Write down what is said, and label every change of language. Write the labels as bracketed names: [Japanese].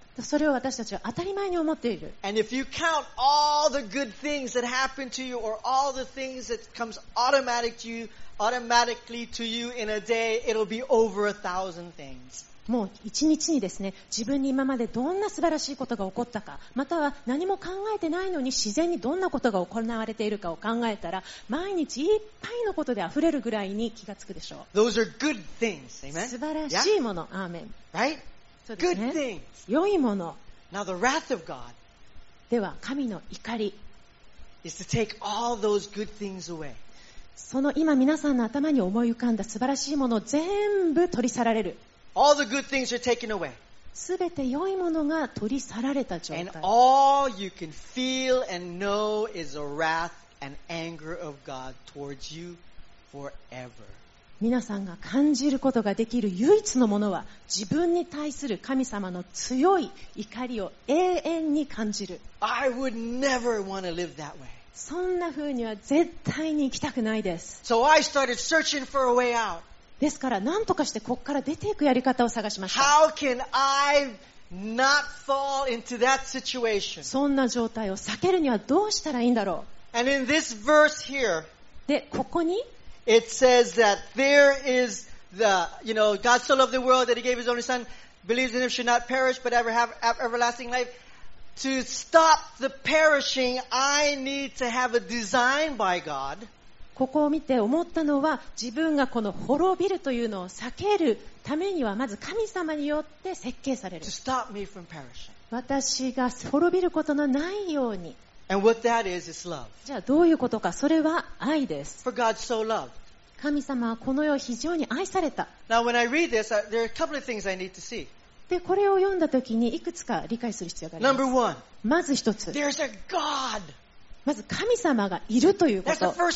[Japanese] それを私たちは当たり前に思っている。 [English] And if you count all the good things that happen to you or all the things that comes automatically to you in a day, it'll be over 1,000 things. [Japanese] もう一日にですね、自分に今までどんな素晴らしいことが起こったか、または何も考えてないのに自然にどんなことが行われているかを考えたら、毎日いっぱいのことで溢れるぐらいに気がつくでしょう。 [English] Those are good things. Amen? [Japanese] 素晴らしいもの。アーメン。 [English] Right? [Japanese] そうですね。 [English] Good things. [Japanese] 良いもの。 [English] Now the wrath of God. [Japanese] では、神の怒り。 [English] Is to take all those good things away. [Japanese] その今皆さんの頭に思い浮かんだ素晴らしいものを全部取り去られる。 [English] All the good things are taken away. [Japanese] 全て良いものが取り去られた状態。 [English] And all you can feel and know is a wrath and anger of God towards you forever. [Japanese] 皆さんが感じることができる唯一のものは自分に対する神様の強い怒りを永遠に感じる。 [English] I would never want to live that way. [Japanese] そんな風には絶対に行きたくないです。 [English] So I started searching for a way out. [Japanese] ですから何とかしてここから出ていくやり方を探しました。 [English] How can I not fall into that situation? [Japanese] そんな状態を避けるにはどうしたらいいんだろう。 [English] And in this verse here, [Japanese] でここに [English] It says that there is the, you know, God so loved the world that he gave his only son, believes in him should not perish but ever have everlasting life. To stop the perishing, I need to have a design by God. [Japanese] ここを見て思ったのは、自分がこの滅びるというのを避けるためには、まず神様によって設計される。私が滅びることのないように。 [English] And what that is love. [Japanese] じゃあどういうことか、それは愛です。 [English] For God so loved. [Japanese] 神様はこの世を非常に愛された。 [English] Now when I read this, there are a couple of things I need to see. [Japanese] で、これを読んだときにいくつか理解する必要があります。 [English] Number one. [Japanese] まず一つ。 [English] There's a God. [Japanese] まず神様がいるということ。